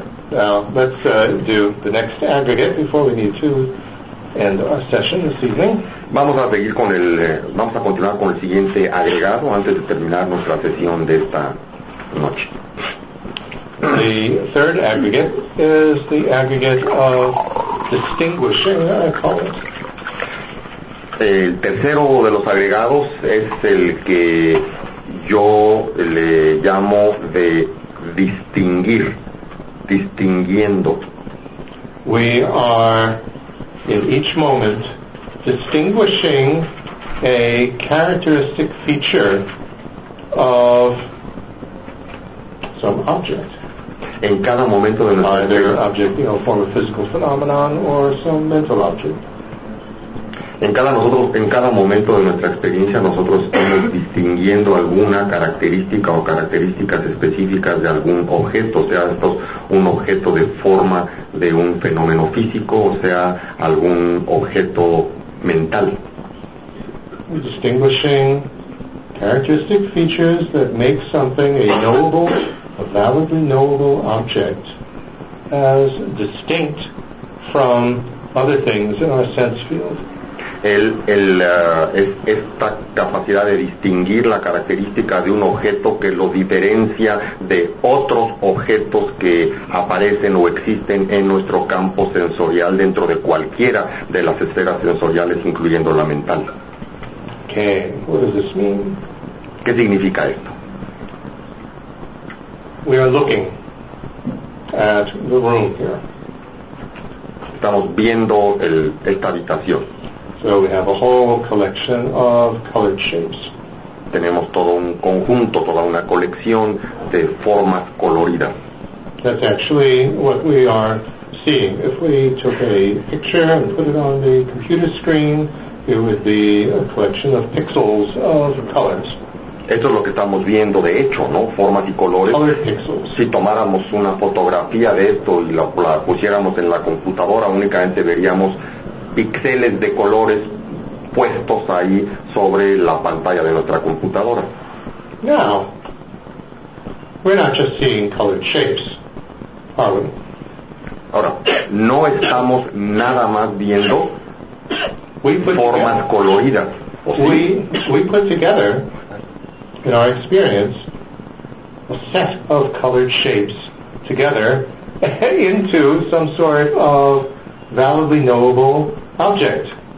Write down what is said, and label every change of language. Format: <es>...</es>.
<en>Now, let's do the next aggregate before we need to end our session this evening.</en> <es>Vamos a seguir con el, vamos a continuar con el siguiente agregado antes de terminar nuestra sesión de esta noche.</es> <en>The third aggregate is the aggregate of distinguishing, I call it.</en> <es>El tercero de los agregados es el que yo le llamo de distinguir, distinguiendo.</es> <en>We are in each moment distinguishing a characteristic feature of some object.</en> <es>En cada momento de nuestra</es> <en>either object, you know, form of physical phenomenon or some mental object.</en> <es>En cada momento de nuestra experiencia nosotros estamos distinguiendo alguna característica o características específicas de algún objeto, sea esto un objeto de forma de un fenómeno físico o sea algún objeto mental.</es> <en>We're distinguishing characteristic features that make something a knowable, a validly knowable object as distinct from other things in our sense field.</en> <es>Es esta capacidad de distinguir la característica de un objeto que lo diferencia de otros objetos que aparecen o existen en nuestro campo sensorial dentro de cualquiera de las esferas sensoriales, incluyendo la mental. ¿Qué?</es> <en>What does this mean?</en> <es>¿Qué significa esto?</es> <en>We are looking at the room here.</en> <es>Estamos viendo esta habitación.</es> <en>So we have a whole collection of colored shapes.</en> <es>Tenemos todo un conjunto, toda una colección de formas coloridas.</es> <en>That's actually what we are seeing. If we took a picture and put it on the computer screen, it would be a collection of pixels of colors.</en> <es>Esto es lo que estamos viendo, de hecho, ¿no? Formas y colores.</es> <en>Colored pixels.</en> <es>Si tomáramos una fotografía de esto y la pusiéramos en la computadora, únicamente veríamos píxeles de colores puestos ahí sobre la pantalla de nuestra computadora. No.</es> <en>We're not just seeing colored shapes, are we?</en> <es>Ahora, no estamos nada más viendo formas coloridas.</es> <en>We put together, in our experience, a set of colored shapes together into some sort of validly knowable object.</en>